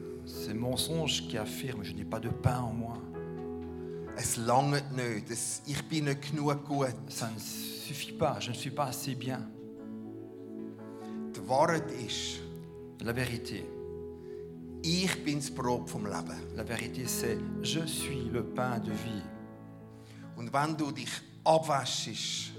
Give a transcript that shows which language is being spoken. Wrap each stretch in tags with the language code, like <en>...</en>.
<fr>C'est mensonge qui affirme, je n'ai pas de pain en moi.</fr> <de>Es langt nicht, ich bin nicht genug gut.</de> <fr>Ça ne suffit pas, je ne suis pas assez bien.</fr> <de>Die Wahrheit ist,</de> <fr>la vérité,</fr> <de>ich bin das Brot vom Leben.</de> <fr>La vérité, c'est, je suis le pain de vie.</fr> <de>Und wenn du dich abwaschst,</de>